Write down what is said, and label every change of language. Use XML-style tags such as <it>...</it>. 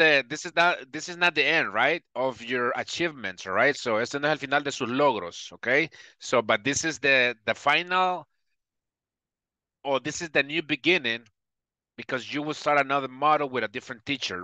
<en>This is not the end, right, of your achievements, right?</en> <es>So este no es el final de sus logros, okay?</es> <en>So, but this is the final, or this is the new beginning, because you will start another model with a different teacher.</en>